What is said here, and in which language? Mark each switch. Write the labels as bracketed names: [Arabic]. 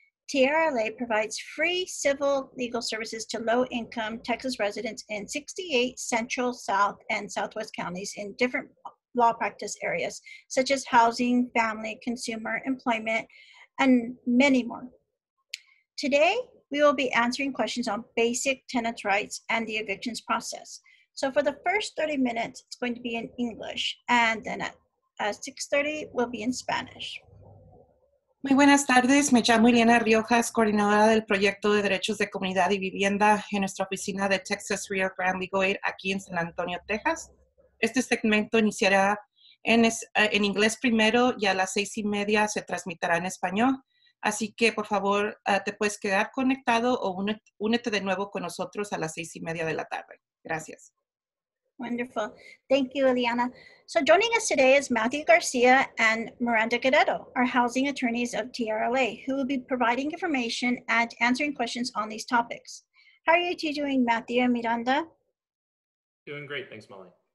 [English] TRLA provides free civil legal services to low-income Texas residents in 68 Central, South, and Southwest counties in different law practice areas, such as housing, family, consumer, employment, and many more. Today, we will be answering questions on basic tenants' rights and the evictions process. So for the first 30 minutes, it's going to be in English, and then at 6:30, will be in Spanish. [Spanish] Muy buenas tardes. Me llamo Ileana Riojas, coordinadora del Proyecto de Derechos de Comunidad y Vivienda en nuestra oficina de Texas Rio Grande Legal Aid aquí en San Antonio, Texas. Este segmento iniciará en inglés primero y a las 6:30 se transmitirá en español. Así que, por favor, te puedes quedar conectado o únete de nuevo con nosotros a las 6:30 de la tarde. Gracias. [English] Wonderful. Thank you, Ileana. So joining us today is Matthew Garcia and Miranda Guerrero, our housing attorneys of TRLA, who will be providing information and answering questions on these topics. How are you two doing, Matthew and Miranda? Doing great. Thanks, Molly.